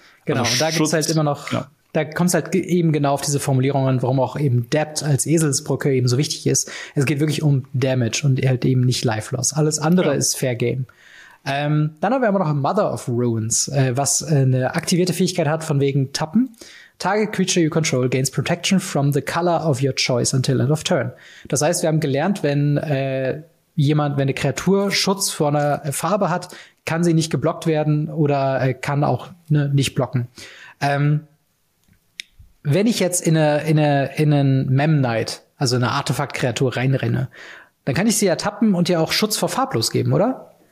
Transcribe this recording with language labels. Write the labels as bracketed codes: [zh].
[de] Genau, also und da gibt's halt immer noch, da kommt's halt eben genau auf diese Formulierungen, warum auch eben Debt als Eselsbrücke eben so wichtig ist. Es geht wirklich um Damage und halt eben nicht Life Loss. Alles andere ist Fair Game. Dann haben wir aber noch Mother of Ruins, was eine aktivierte Fähigkeit hat von wegen Tappen. [en] Target creature you control gains protection from the color of your choice until end of turn. [de] Das heißt, wir haben gelernt, wenn eine Kreatur Schutz vor einer Farbe hat, kann sie nicht geblockt werden oder kann auch nicht blocken. Wenn ich jetzt in einen Memnite, also eine Artefakt-Kreatur reinrenne, dann kann ich sie ja tappen und ihr auch Schutz vor farblos geben, oder?